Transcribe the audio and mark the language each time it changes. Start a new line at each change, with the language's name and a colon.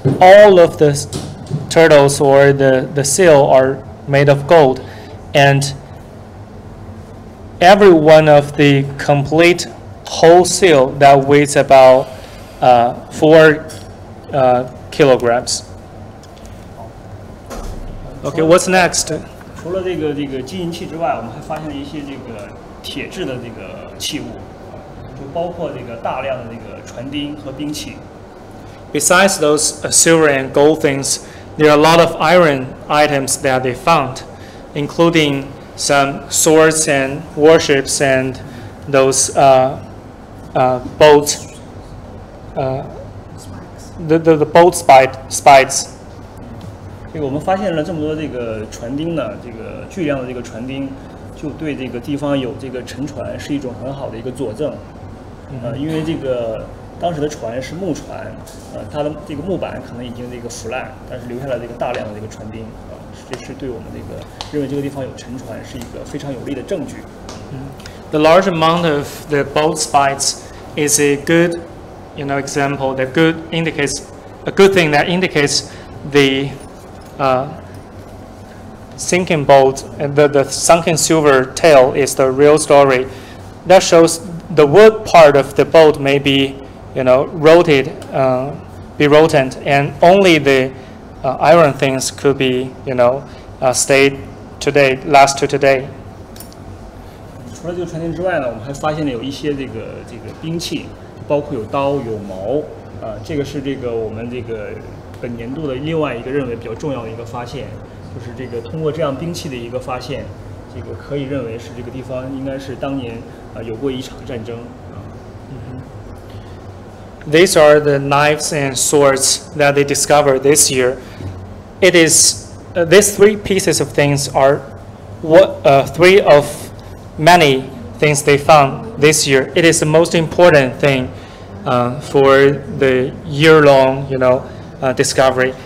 English: All of the... Turtles or the seal are made of gold, and every one of the complete whole seal that weighs about 4 kilograms. Okay, what's next?
Chinese: 除了这个金银器之外，我们还发现了一些这个铁制的这个器物，就包括这个大量的这个船钉和兵器。
English: Besides those silver and gold things. There are a lot of iron items that they found, including some swords and warships and those boats, the boat spikes.
Chinese: 这个我们发现了这么多这个船钉呢，这个巨量的这个船钉，就对这个地方有这个沉船是一种很好的一个佐证。因为这个。当时的船是木船，它的这个木板可能已经这个腐烂，但是留下了这个大量的这个船钉，这是对我们这个认为这个地方有沉船是一个非常有力的证据。
English: The large amount of the boat spikes is a good, example. That good indicates a good thing that indicates the sinking boat and the sunken silver tail is the real story. That shows the wood part of the boat may be. Rotted, be rotten, and only the iron things could be, stayed today, last to today.
Chinese: 除了这个船钉之外呢，我们还发现了有一些这个兵器，包括有刀、有矛，这个是这个我们这个本年度的另外一个认为比较重要的一个发现，就是这个通过这样兵器的一个发现，这个可以认为是这个地方应该是当年有过一场战争。
English: These are the knives and swords that they discovered this year. It is, these three pieces of things are what, three of many things they found this year. It is the most important thing for the year-long, you know, discovery.